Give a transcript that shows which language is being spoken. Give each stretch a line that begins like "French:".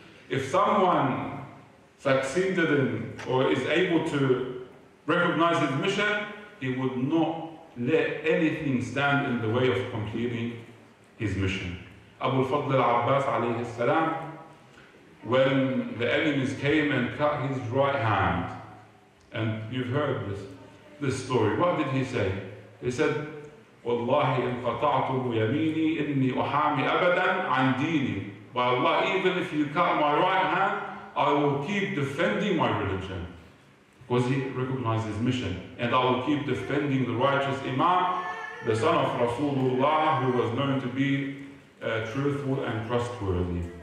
English: If someone succeeded in, or is able to recognize his mission, he would not let anything stand in the way of completing his mission. Abu al-Fadl al-Abbas alayhi salam, when the enemies came and cut his right hand, and you've heard this story, what did he say? He said,
Arabic: وَاللَّهِ إِنْ قَطَعْتُ يَمِينِي إِنِّي أُحَامِ أَبَدًا عَنْ دِينِي.
English: By Allah, even if you cut my right hand, I will keep defending my religion. Because he recognized his mission. And I will keep defending the righteous Imam, the son of Rasulullah, who was known to be truthful and trustworthy.